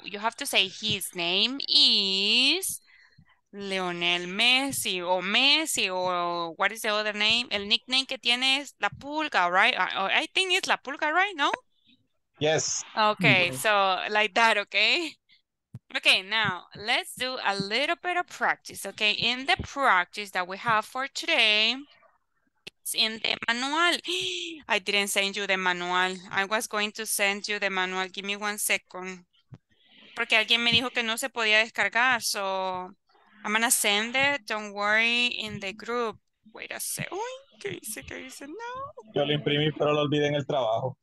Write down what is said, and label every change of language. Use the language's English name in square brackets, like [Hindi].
[English] You have to say his name is Leonel Messi o Messi o what is the other name? [Spanish] El nickname que tiene es La Pulga, right? [English] I think it's La Pulga, right? No? Yes. Okay. Mm-hmm. So like that, okay? Okay, now let's do a little bit of practice, okay? In the practice that we have for today, it's in the manual. I didn't send you the manual. I was going to send you the manual. Give me one second. [Spanish] Porque alguien me dijo que no se podía descargar. [English] So I'm going to send it. Don't worry, in the group. Wait a second. [Spanish] ¿Qué dice? [English] No. [Spanish] Yo lo imprimí, pero lo olvidé en el trabajo.